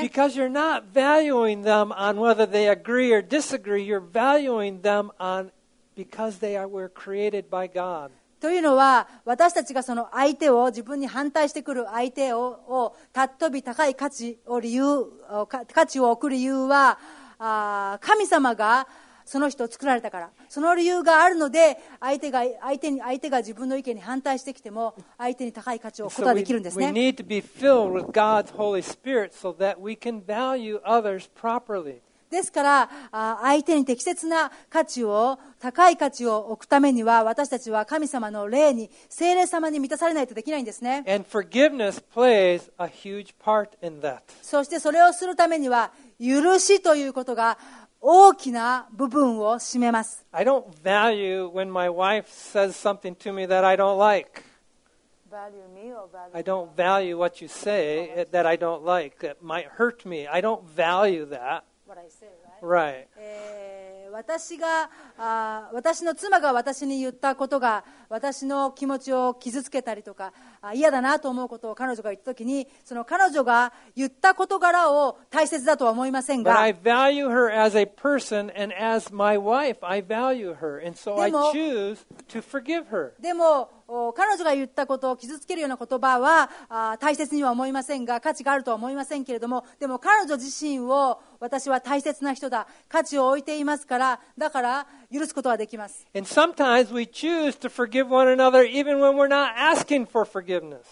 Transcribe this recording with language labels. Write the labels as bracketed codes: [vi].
[en] Because you're not valuing them on whether they agree or disagree, you're valuing them on because they were created by God. [ja] というのは私たちがその相手を自分に反対してくる相手を尊び高い価値を置く理由は神様がその人を作られたからその理由があるので相手が自分の意見に反対してきても相手に高い価値を置くことができるんですね。 [en] We need to be filled with God's Holy Spirit so that we can value others properly. [ja] ですから相手に適切な価値を高い価値を置くためには私たちは神様の霊に聖霊様に満たされないとできないんですね。 [en] And forgiveness plays a huge part in that. [ja] そしてそれをするためには許しということが大きな部分を占めます。 [en] I don't value when my wife says something to me that I don't like. Value me or value I don't value what you say that I don't like that might hurt me. I don't value that. Right. [ja] 私の妻が私に言ったことが私の気持ちを傷つけたりとか嫌だなと思うことを彼女が言ったときにその彼女が言った事柄を大切だとは思いませんが [en] But I value her as a person and as my wife I value her and so I choose to forgive her [ja] でも彼女が言ったことを傷つけるような言葉は大切には思いませんが価値があるとは思いませんけれどもでも彼女自身を私は大切な人だ価値を置いていますからだから許すことはできます。 [en] And sometimes we choose to forgive one another even when we're not asking for forgiveness.